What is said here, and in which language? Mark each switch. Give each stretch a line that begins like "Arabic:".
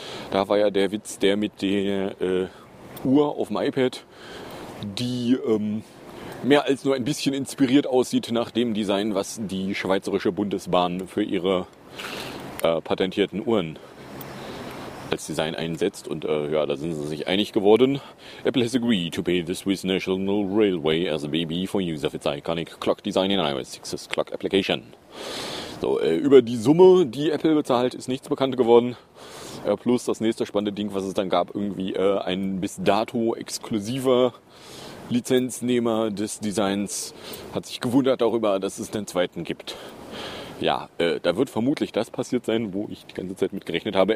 German: Da war ja der Witz, der mit der Uhr auf dem iPad, die mehr als nur ein bisschen inspiriert aussieht nach dem Design, was die Schweizerische Bundesbahn für ihre patentierten Uhren als Design einsetzt. Und ja, da sind sie sich einig geworden.
English: Apple has agreed to pay the Swiss National Railway as a baby for use of its iconic clock design in iOS 6's clock application.
German: So, über die Summe, die Apple bezahlt, ist nichts bekannt geworden. Plus das nächste spannende Ding, was es dann gab, irgendwie ein bis dato exklusiver Lizenznehmer des Designs hat sich gewundert darüber, dass es den zweiten gibt. Ja, da wird vermutlich das passiert sein, wo ich die ganze Zeit mit gerechnet habe.